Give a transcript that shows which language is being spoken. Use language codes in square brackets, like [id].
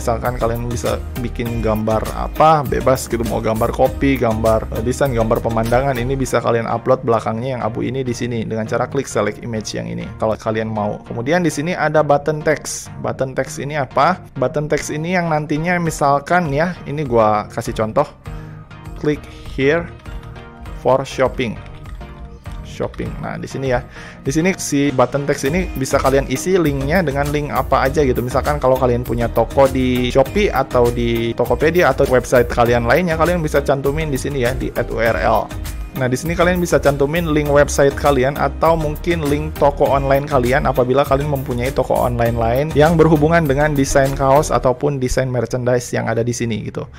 [id] Misalkan kalian bisa bikin gambar apa, bebas gitu, mau gambar kopi, gambar desain, gambar pemandangan, ini bisa kalian upload belakangnya yang abu ini di sini dengan cara klik select image yang ini kalau kalian mau. Kemudian di sini ada button text. Button text ini apa? Button text ini yang nantinya misalkan ya, ini gua kasih contoh. [en] Click here for shopping. [id] Nah, di sini ya. Di sini si button text ini bisa kalian isi linknya dengan link apa aja gitu. Misalkan kalau kalian punya toko di Shopee atau di Tokopedia atau website kalian lainnya, kalian bisa cantumin di sini ya di add URL. Nah, di sini kalian bisa cantumin link website kalian atau mungkin link toko online kalian apabila kalian mempunyai toko online lain yang berhubungan dengan desain kaos ataupun desain merchandise yang ada di sini gitu.